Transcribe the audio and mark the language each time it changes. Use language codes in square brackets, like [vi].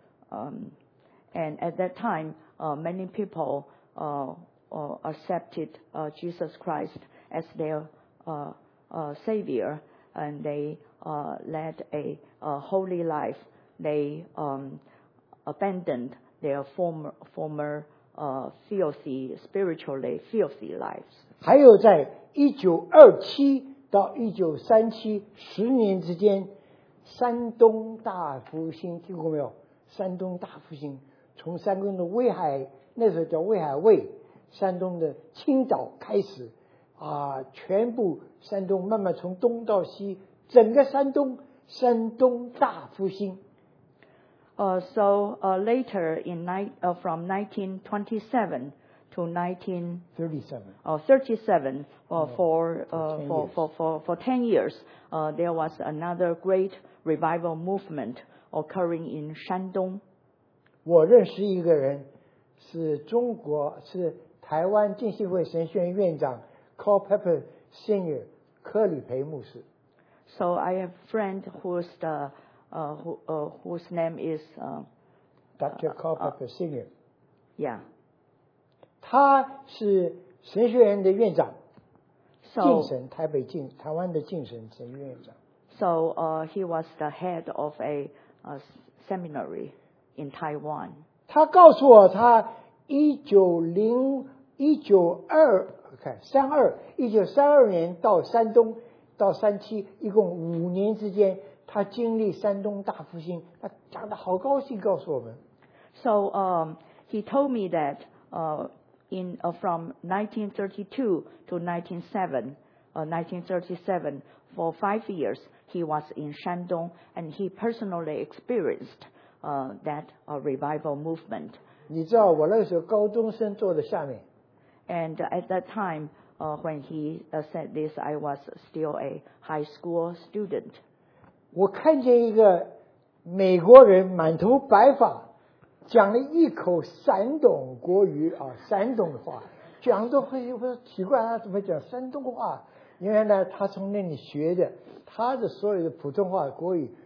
[en] And at that time, many people accepted Jesus Christ as their savior, and they led a holy life. They abandoned their former filthy, spiritually filthy lives. [zh] 还有在1927到1937十年之间，山东大复兴听过没有？山东大复兴从山东的威海，那时候叫威海卫，山东的青岛开始啊，全部山东慢慢从东到西，整个山东，山东大复兴。 [en] Later in from 1927 to 10 years, there was another great revival movement occurring in Shandong. [zh] 我认识一个人，是中国，是台湾浸信会神学院院长 Culpepper Senior 柯里培牧师。 [en] So I have a friend whose name is Dr. Culpepper Senior. Yeah. [zh] 他是神学院的院长，浸神台北浸台湾的浸神神学院院长。 [en] So he was the head of a seminary in Taiwan. [zh] 他告诉我他1932年到山东到山西，一共五年之间，他经历山东大复兴，他讲得好高兴告诉我们。 [en] So he told me that from 1937 for 5 years, he was in Shandong, and he personally experienced that revival movement. [zh] 你知道我那时候高中生坐在下面。 [en] And at that time, when he said this, I was still a high school student. [zh] 我看见一个美国人满头白发，讲了一口山东国语啊，山东话，讲的会我奇怪他怎么讲山东话。因为呢，他从那里学的，他的所有的普通话、国语